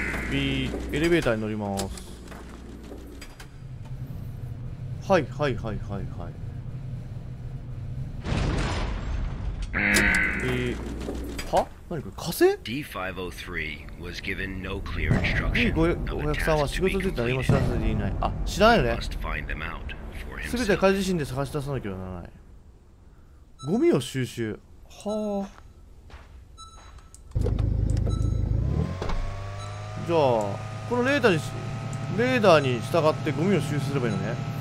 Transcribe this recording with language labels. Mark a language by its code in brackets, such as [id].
[ja] B、エレベーターに乗ります。はいはいはいはいはい。は？何これ火星？ [en] D503 was given no clear instruction. [ja] D503 は仕事について何も知らせていない。あ、知らないね。すべては彼自身で探し出さなきゃならない。ゴミを収集。はあ。じゃあ、このレーダーに従ってゴミを収集すればいいのね。